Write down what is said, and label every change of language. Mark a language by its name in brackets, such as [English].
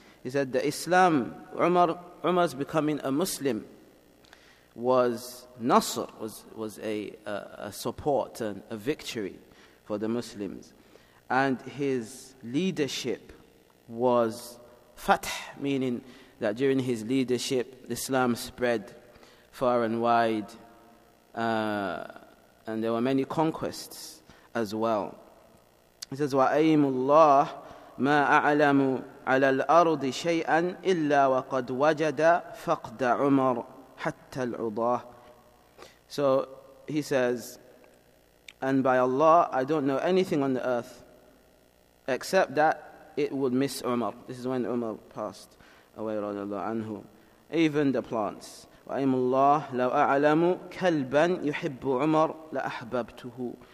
[English] He said the Islam Umar's becoming a Muslim was nasr, was a support and a victory for the Muslims, and his leadership was fath, meaning that during his leadership Islam spread far and wide, and there were many conquests as well. He says, [Arabic] وَأَيْمُ اللَّهِ مَا أَعْلَمُ عَلَى الْأَرْضِ شَيْئًا إِلَّا وَقَدْ وَجَدَ فَقْدَ عُمَرُ حَتَّى الْعُضَاهِ. [English] So he says, and by Allah, I don't know anything on the earth except that it would miss Umar. This is when Umar passed away, رضي الله عنه. Even the plants. [Arabic] وَأَيْمُ اللَّهِ لَوْ أَعْلَمُ كَلْبًا يُحِبُّ عُمَرُ لَأَحْبَبْتُهُ.